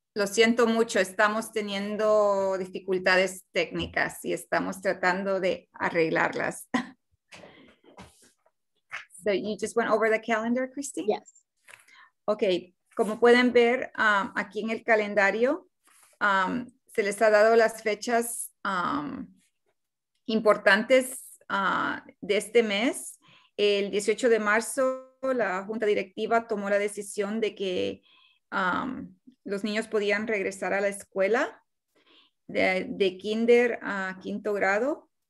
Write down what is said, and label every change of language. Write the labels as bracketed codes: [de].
[es] Lo siento mucho, estamos teniendo dificultades técnicas y estamos tratando de arreglarlas. [en] So you just went over the calendar, Christine? Yes. [es] Okay, como pueden ver aquí en el calendario, se les ha dado las fechas importantes de este mes. El 18 de marzo, la junta directiva tomó la decisión de que los niños podían regresar a la escuela de kinder a quinto grado.